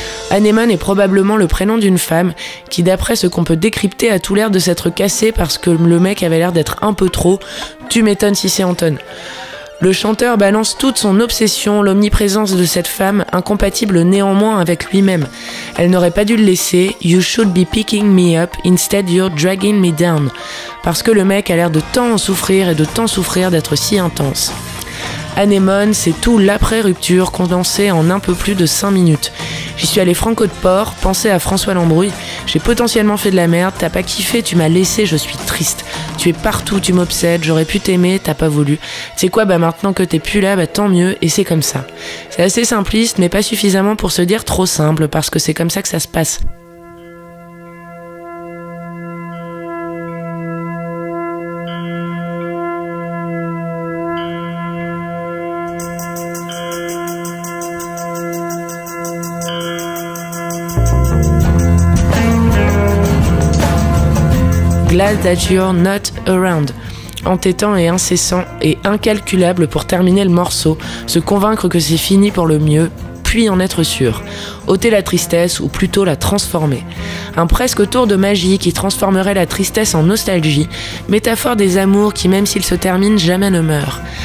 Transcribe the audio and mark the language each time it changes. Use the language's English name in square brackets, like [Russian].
[French] Anemone est probablement le prénom d'une femme qui, d'après ce qu'on peut décrypter, a tout l'air de s'être cassée parce que le mec avait l'air d'être un peu trop. Tu m'étonnes si c'est Anton. Le chanteur balance toute son obsession, l'omniprésence de cette femme, incompatible néanmoins avec lui-même. Elle n'aurait pas dû le laisser. [English] You should be picking me up, instead you're dragging me down. [French] Parce que le mec a l'air de tant en souffrir et de tant souffrir d'être si intense. Anemone, c'est tout l'après-rupture condensé en un peu plus de 5 minutes. J'y suis allé franco de port, pensé à François Lambrouille. J'ai potentiellement fait de la merde, t'as pas kiffé, tu m'as laissé, je suis triste. Tu es partout, tu m'obsèdes, j'aurais pu t'aimer, t'as pas voulu. Tu sais quoi, bah maintenant que t'es plus là, bah tant mieux, et c'est comme ça. C'est assez simpliste, mais pas suffisamment pour se dire trop simple, parce que c'est comme ça que ça se passe. [English] Glad that you're not around. [French] Entêtant et incessant et incalculable pour terminer le morceau, se convaincre que c'est fini pour le mieux, puis en être sûr. Ôter la tristesse ou plutôt la transformer. Un presque tour de magie qui transformerait la tristesse en nostalgie, métaphore des amours qui, même s'ils se terminent, jamais ne meurent.